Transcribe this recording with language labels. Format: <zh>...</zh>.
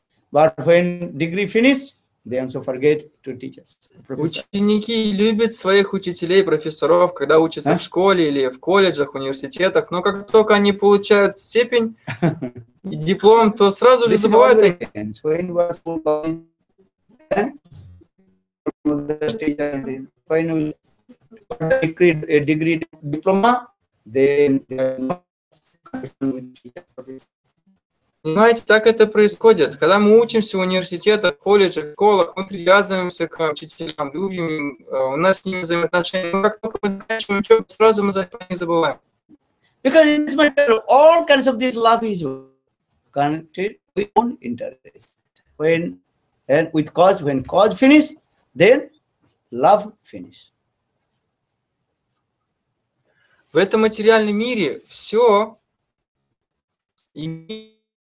<en>But when degree finish, they also forget to teachers. Professor.</en> <ru>Ученики любят своих учителей, профессоров, когда учатся в школе или в колледжах, университетах. Но как только они получают степень и диплом, то сразу же забывают о них.</ru> <en>When you degree diploma, then they are not with this.</en> <ru>Понимаете, так это происходит. Когда мы учимся в университетах, колледжах, школах, мы привязываемся к учителям, любим, у нас с ними взаимоотношения. Но как только мы заканчиваем учебу, сразу мы не забываем.</ru> <en>Because in this matter, all kinds of this love is connected with own interest. When, and with cause, when cause finish, then love finish.</en> <ru>В этом материальном мире все имеет.</ru>